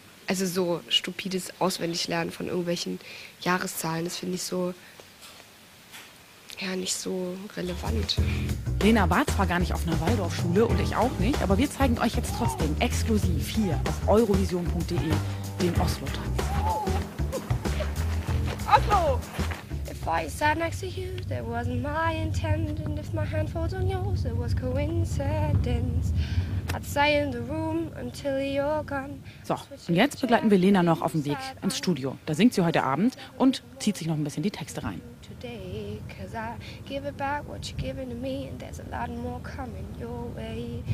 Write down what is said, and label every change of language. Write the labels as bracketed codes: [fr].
[de] Also so stupides Auswendiglernen von irgendwelchen Jahreszahlen, das finde ich so, ja, nicht so relevant. Lena war zwar gar nicht auf einer Waldorfschule und ich auch nicht, aber wir zeigen euch jetzt trotzdem exklusiv hier auf eurovision.de den Oslo-Tanz. Oslo! [en] If I sat next to you, that wasn't my intent. And if my hand falls on yours, it was coincidence. I'd stay in the room until you're gone. [de] So, und jetzt begleiten wir Lena noch auf dem Weg ins Studio. Da singt sie heute Abend und zieht sich noch ein bisschen die Texte rein. [en] Today, 'cause I give it back what you're giving to me. And there's a lot more coming your way.